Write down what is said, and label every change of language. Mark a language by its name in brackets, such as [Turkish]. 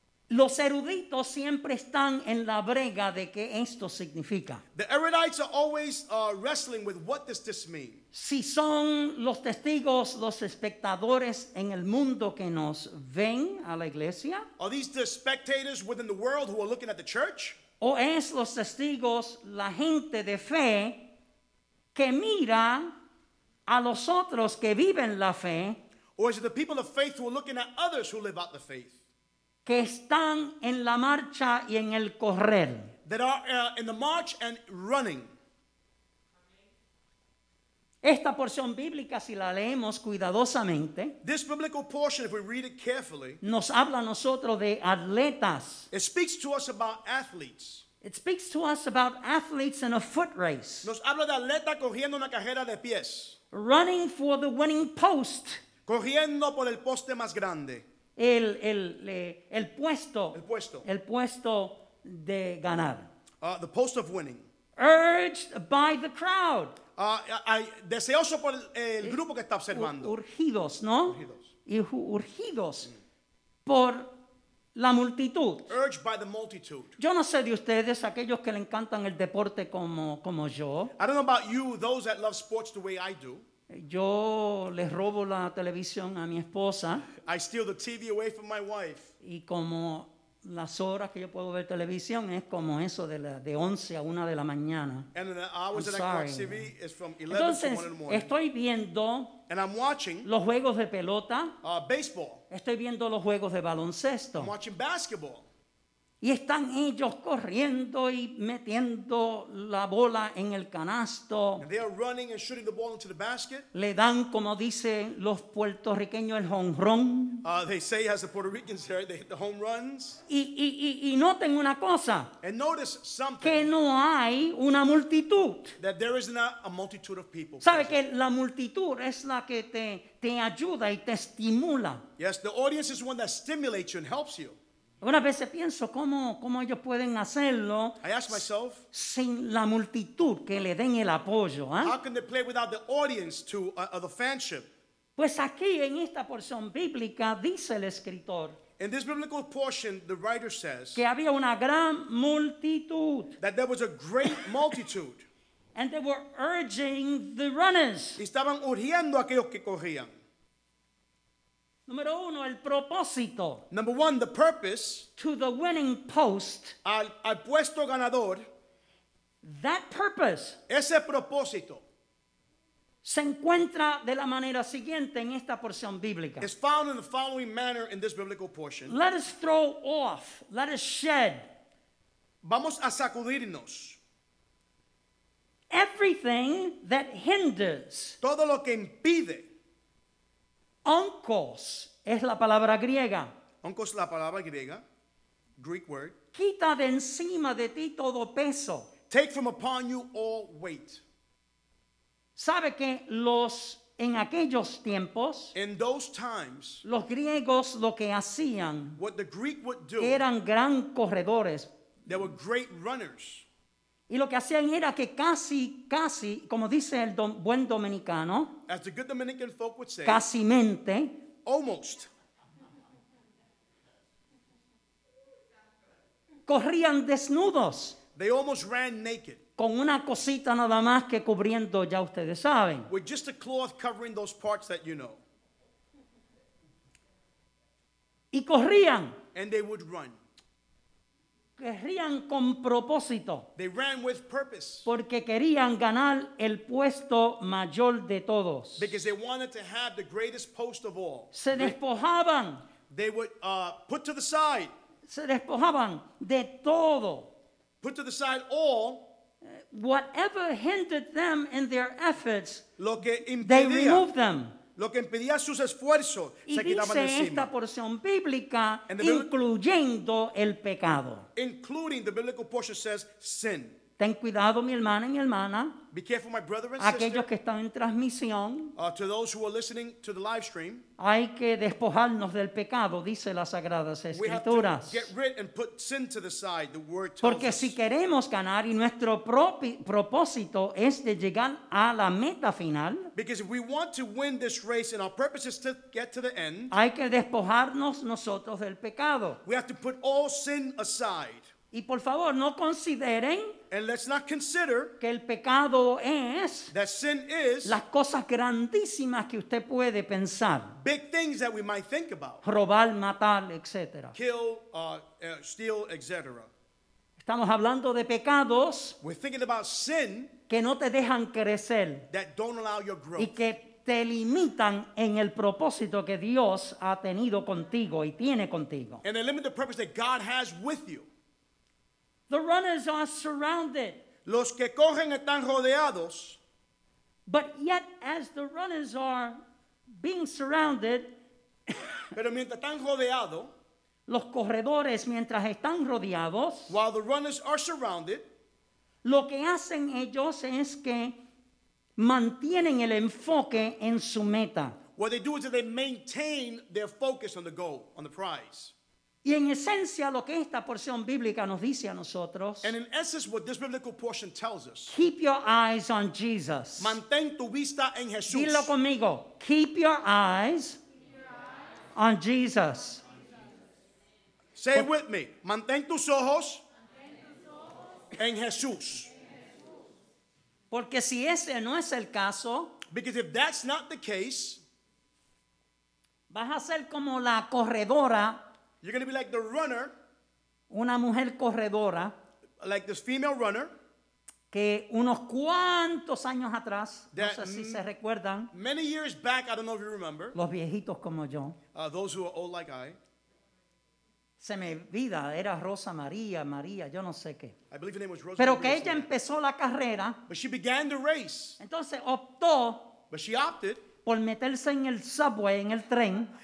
[Spanish] Los eruditos siempre están en la brega de qué esto significa. [English] The erudites are always wrestling with what does this mean. [Spanish] Si son los testigos, los espectadores en el mundo que nos ven a la iglesia. [English] Are these the spectators within the world who are looking at the church? [Spanish] O es los testigos, la gente de fe que mira a los otros que viven la fe. [English] Or is it the people of faith who are looking at others who live out the faith? [Spanish] Que están en la marcha y en el correr. [English] That are in the march and running. [Spanish] Esta porción bíblica, si la leemos cuidadosamente, [English] this biblical portion, if we read it carefully, [Spanish] nos habla a nosotros de atletas. [English] It speaks to us about athletes. It speaks to us about athletes in a foot race. [Spanish] Nos habla de atleta corriendo una carrera de pies. [English] Running for the winning post. [Spanish] Corriendo por el poste más grande. El puesto de ganar. [English] The post of winning. Urged by the crowd. [Spanish] Deseoso por el grupo que está observando. Urgidos, ¿no? Urgidos. Y urgidos por la multitud. [English] Urged by the multitude. [Spanish] Yo no sé de ustedes, aquellos que le encantan el deporte como yo. [English] I don't know about you, those that love sports the way I do. [Spanish] Yo les robo la televisión a mi esposa. [English] I steal the TV away from my wife. [Spanish] Y como las horas que yo puedo ver televisión es como eso de 11 a 1 de la mañana. [English] And the hours I'm that sorry. I watch TV is from 11 [Spanish] Entonces, [English] to 1 in the morning. [Spanish] Estoy viendo [English] and I'm watching [Spanish] los juegos de pelota. [English] Baseball. [Spanish] Estoy viendo los juegos de baloncesto. [English] I'm watching basketball. [Spanish] Y están ellos corriendo y metiendo la bola en el canasto. [English] And they are running and shooting the ball into the basket. [Spanish] Le dan, como dicen los puertorriqueños, el home run. [English] They say, as the Puerto Ricans say, they hit the home runs. [Spanish] Y noten una cosa. [English] And notice something. [Spanish] Que no hay una multitud. [English] That there is not a multitude of people. [Spanish] ¿Sabe que la multitud es la que te ayuda y te estimula? [English] Yes, the audience is one that stimulates you and helps you. [Spanish] Algunas veces pienso cómo ellos pueden hacerlo [English] myself, [Spanish] sin la multitud que le den el apoyo. ¿Eh? [English] How can they play without the audience to the fanship? [Spanish] Pues aquí en esta porción bíblica dice el escritor. [English] In this biblical portion, the writer says [Spanish] que había una gran multitud. [English] That there was a great multitude. And they were urging the runners. [Spanish] Estaban urgiendo a aquellos que corrían. Número uno, el propósito. [English] Number one, the purpose. To the winning post. [Spanish] Al puesto ganador. [English] That purpose. [Spanish] Ese propósito. Se encuentra de la manera siguiente en esta porción bíblica. [English] It's found in the following manner in this biblical portion. Let us throw off. Let us shed. [Spanish] Vamos a sacudirnos. [English] Everything that hinders. [Spanish] Todo lo que impide. Onkos es la palabra griega. Onkos la palabra griega. [English] Greek word. [Spanish] Quita de encima de ti todo peso. [English] Take from upon you all weight. [Spanish] Sabe que los en aquellos tiempos. [English] In those times. [Spanish] Los griegos lo que hacían. [English] What the Greek would do. [Spanish] Eran gran corredores. [English] They were great runners. [Spanish] Y lo que hacían era que casi, como dice el buen dominicano, [English] as the good Dominican folk would say, [Spanish] casi mente, [English] almost, [Spanish] corrían desnudos, [English] they almost ran naked, [Spanish] con una cosita nada más que cubriendo, ya ustedes saben, [English] with just a cloth covering those parts that you know, [Spanish] y corrían, [English] and they would run. [Spanish] Querían con propósito. [English] They ran with purpose. [Spanish] Porque querían ganar el puesto mayor de todos. [English] Because they wanted to have the greatest post of all. [Spanish] Se despojaban. [English] They would put to the side. [Spanish] Se despojaban de todo. [English] Put to the side all. Whatever hindered them in their efforts. [Spanish] Lo que impedía. [English] They removed them. [Spanish] Lo que impedía sus esfuerzos. Y se dice esta porción bíblica, incluyendo el pecado. [English] Including the biblical portion says sin. [Spanish] Ten cuidado, mi hermana y mi hermana. [English] Be careful, my brother and [Spanish] aquellos [English] sister, [Spanish] que están en transmisión. [English] To those who are listening to the live stream. [Spanish] Hay que despojarnos del pecado, dice las Sagradas Escrituras. [English] We have to get rid and put sin to the side, the word tells [Spanish] porque [English] us. [Spanish] Si queremos ganar y nuestro propósito es de llegar a la meta final. [English] Because if we want to win this race and our purpose is to get to the end. [Spanish] Hay que despojarnos nosotros del pecado. [English] We have to put all sin aside. [Spanish] Y por favor, no consideren. [English] And let's not consider [Spanish] que el pecado es [English] that sin is [Spanish] las cosas grandísimas que usted puede pensar. [English] Big things that we might think about. [Spanish] Robar, matar, etc. [English] Kill, steal, etc. [Spanish] Estamos hablando de pecados. [English] We're thinking about sin [Spanish] que no te dejan crecer. [English] That don't allow your growth. [Spanish] Y que te limitan en el propósito que Dios ha tenido contigo y tiene contigo. [English] And they limit the purpose that God has with you. The runners are surrounded. [Spanish] Los que corren están rodeados. [English] But yet, as the runners are being surrounded, [Spanish] pero mientras están rodeado, los corredores mientras están rodeados, [English] while the runners are surrounded, [Spanish] lo que hacen ellos es que mantienen el enfoque en su meta. [English] What they do is that they maintain their focus on the goal, on the prize. [Spanish] Y en esencia lo que esta porción bíblica nos dice a nosotros. [English] And in essence what this biblical portion tells us. Keep your eyes on Jesus. [Spanish] Mantén tu vista en Jesús. Dilo conmigo. [English] Keep your eyes on Jesus. Say it with me. [Spanish] Mantén tus ojos en Jesús. Porque si ese no es el caso. [English] Because if that's not the case. [Spanish] Vas a ser como la corredora. [English] You're going to be like the runner. [Spanish] Una mujer corredora. [English] Like this female runner. [Spanish] Que unos cuantos años atrás. No sé si se recuerdan. [English] Many years back, I don't know if you remember. [Spanish] Los viejitos como yo. [English] Those who are old like I. [Spanish] Se me olvida. Era Rosa María, María, yo no sé qué. [English] I believe her name was Rosa [Spanish] María. Pero que ella empezó la carrera. [English] But she began the race. [Spanish] Entonces optó. [English] But she opted. [Spanish] Por meterse en el subway, en el tren.